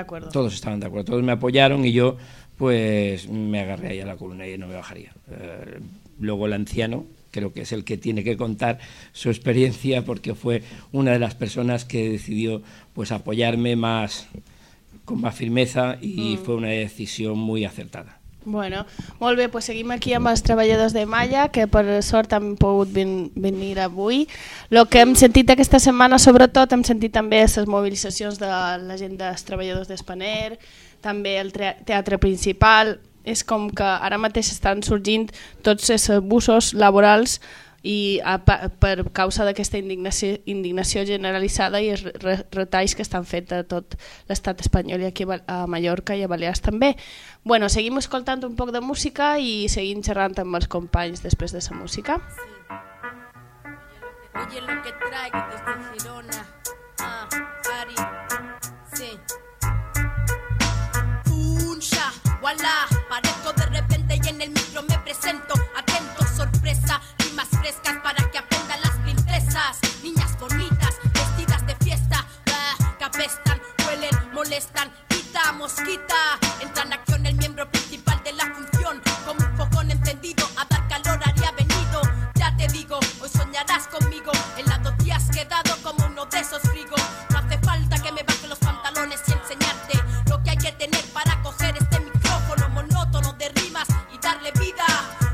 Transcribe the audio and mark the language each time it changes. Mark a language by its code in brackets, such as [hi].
[es] Todos estaban de acuerdo, todos me apoyaron y yo pues me agarré ahí a la columna y no me bajaría. Luego el anciano, creo que es el que tiene que contar su experiencia, porque fue una de las personas que decidió pues apoyarme más, con más firmeza, y fue una decisión muy acertada. [ca] Bueno, molt bé, pues seguim aquí amb els treballadors de Malla, que per sort han pogut venir avui. El que hem sentit aquesta setmana, sobretot, hem sentit també les mobilitzacions de la gent dels treballadors d'Espaner, també el teatre principal. És com que ara mateix estan sorgint tots els abusos laborals i per causa d'aquesta indignació generalitzada i els retalls que estan fets a tot l'estat espanyol i aquí a Mallorca i a Balears també. Bueno, seguim escoltant un poc de música i seguim xerrant amb els companys després de la música. [es] Oye lo que traigo desde Girona, Ari, sí. Uncha, voilà, parezco de repente y en el micro me presento, atento, sorpresa. Más frescas para que aprendan las princesas, niñas bonitas, vestidas de fiesta, que apestan, huelen, molestan, quita, mosquita, entra en acción el miembro principal de la función, como un fogón encendido, a dar calor haría venido, ya te digo, hoy soñarás conmigo, el lado te has quedado como uno de esos frigos, no hace falta que me baje los pantalones y enseñarte lo que hay que tener para coger este micrófono monótono de rimas y darle vida.